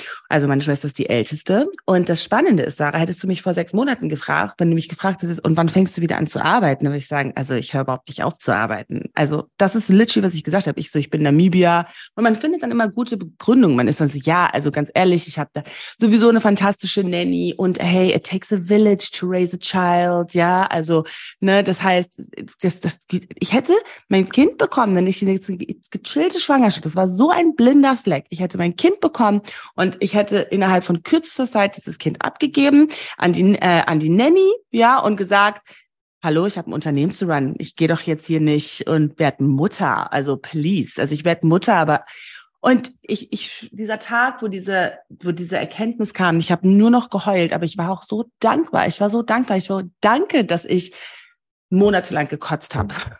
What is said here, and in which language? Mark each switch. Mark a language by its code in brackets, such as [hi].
[de] Also meine Schwester ist die Älteste. Und das Spannende ist, Sarah, hättest du mich vor 6 Monaten gefragt, wenn du mich gefragt hättest, und wann fängst du wieder an zu arbeiten? Dann würde ich sagen, also ich höre überhaupt nicht auf zu arbeiten. Also das ist literally, was ich gesagt habe. Ich bin Namibia. Und man findet dann immer gute Begründungen. Man ist dann so, ja, also ganz ehrlich, ich habe da sowieso eine fantastische Nanny. Und [en] hey, it takes a village to raise a child. [de] Ja, also ne, das heißt, das ich hätte mein Kind bekommen, wenn ich eine gechillte Schwangerschaft, das war so ein blinder Fleck. Ich hätte mein Kind bekommen und ich hätte innerhalb von kürzester Zeit dieses Kind abgegeben an die Nanny, ja, und gesagt, hallo, ich habe ein Unternehmen zu runnen, ich gehe doch jetzt hier nicht und werde Mutter, also please, also ich werde Mutter, aber und ich dieser Tag, wo diese Erkenntnis kam, ich habe nur noch geheult, aber ich war so dankbar, ich war danke, dass ich monatelang gekotzt habe.